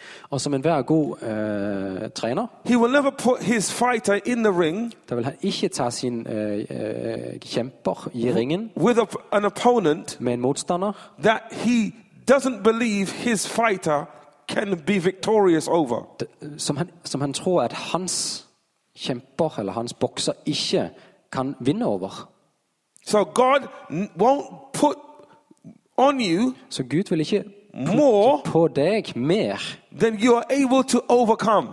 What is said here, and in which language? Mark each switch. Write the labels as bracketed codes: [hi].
[da] og som enhver god træner, [en] he will never put his fighter in the ring. [da] Der vil han ikke tage sin kæmper i ringen. [en] With an opponent, [da] med en modstander, [en] that he doesn't believe his fighter can be victorious over. [da] Som han tror at hans kæmper eller hans bokser ikke kan vinde over. [en] So God won't put on you. [no] Så Gud vil ikke på deg mer [en] than you are able to overcome.